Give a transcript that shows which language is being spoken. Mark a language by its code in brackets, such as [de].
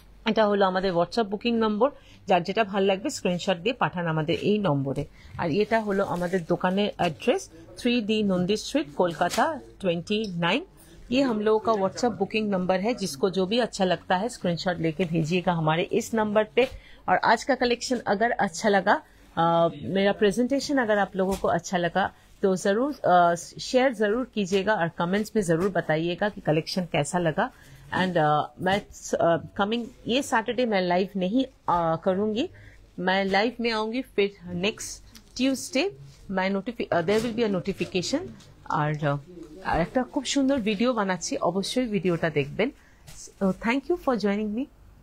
[bn] এটা হলো আমাদের হোয়াটসঅ্যাপ বুকিং নম্বর, যার যেটা ভাল লাগবে স্ক্রিনশট দিয়ে পাঠান আমাদের এই নম্বরে। আর এটা হলো আমাদের দোকানের address, 3D Nandi street Kolkata 29। [hi] ये हम लोगों का व्हाट्सएप बुकिंग नंबर है, जिसको जो भी अच्छा लगता है स्क्रीनशॉट लेके भेजिएगा हमारे इस नंबर पे। और आज का कलेक्शन अगर अच्छा लगा, मेरा प्रेजेंटेशन अगर आप लोगों को अच्छा लगा तो जरूर शेयर जरूर कीजिएगा और कमेंट्स में जरूर बताइएगा कि कलेक्शन कैसा लगा। एंड मैं कमिंग ये सैटरडे मैं लाइव नहीं करूंगी, मैं लाइव में आऊंगी फिर next Tuesday, [en] There will be a notification. [bn] और একটা খুব সুন্দর ভিডিও বানাচ্ছি, অবশ্যই ভিডিওটা দেখবেন। [en] Thank you for joining me.